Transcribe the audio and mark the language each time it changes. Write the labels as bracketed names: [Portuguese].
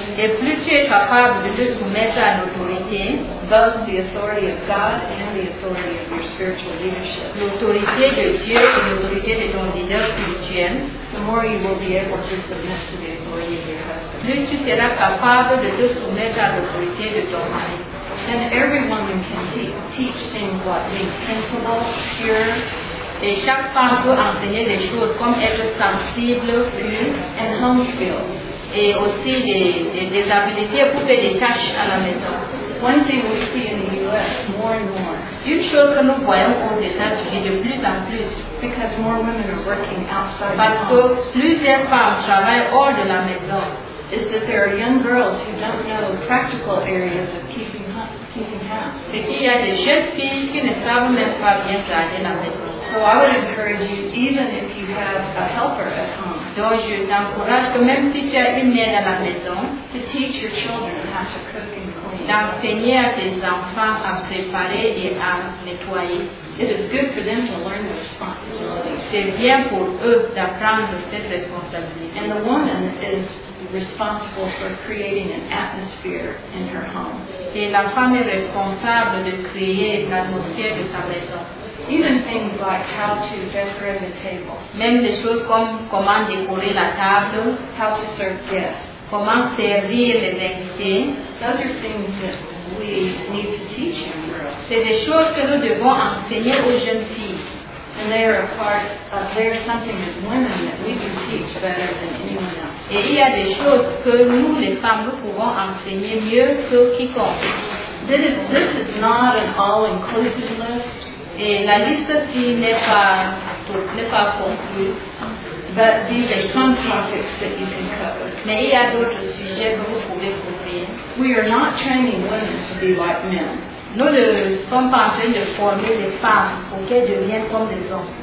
[French] et plus tu es capable de te soumettre à l'autorité, [English] both the authority of God and the authority of your spiritual leadership, [French] l'autorité de Dieu et l'autorité de ton leader spirituel, [English] the more you will be able to submit to the authority of your husband. [French] Plus tu seras capable de te soumettre à l'autorité de ton mari. [English] And every woman can teach things like being sensible, pure. [French] Et chaque femme peut enseigner des choses comme être sensible, [English] and home skills. [French] Et aussi des habiletés pour faire des tâches à la maison. [English] One thing we see in the U.S. more and more. [French] Une chose que nous voyons aux États-Unis de plus en plus. [English] Because more women are working outside. [French] Parce que plusieurs femmes travaillent hors de la maison. [English] Is that there are young girls who don't know practical areas of keeping house. [French] C'est qu'il y a des jeunes filles qui ne savent même pas bien garder la maison. [English] So I would encourage you, even if you have a helper at home, [French] donc je t'encourage que même si tu as une aide à la maison, [English] to teach your children how to cook and clean. [French] D'enseigner à tes enfants à préparer et à nettoyer. [English] It is good for them to learn the responsibility. [French] C'est bien pour eux d'apprendre cette responsabilité. [English] And the woman is responsible for creating an atmosphere in her home. [French] Et la femme est responsable de créer l'atmosphère de sa maison. [English] Even things like how to decorate the table. [French] Même des choses comme comment décorer la table. [English] How to serve guests. [French] Comment servir les invités. [English] Those are things that we need to teach young girls. [French] C'est des choses que nous devons enseigner aux jeunes filles. [English] And they are a part of, they are something as women that we can teach better than anyone else. [French] Et il y a des choses que nous, les femmes, nous pouvons enseigner mieux que quiconque. [English] This is not an all-inclusive list. [French] Et la liste ici n'est pas conclue. [English] But these are some topics that you can cover. [French] Mais il y a d'autres sujets que vous pouvez couvrir. [English] We are not training women to be like men. [French] Nous ne sommes pas en train de former les femmes pour qu'elles deviennent comme les hommes.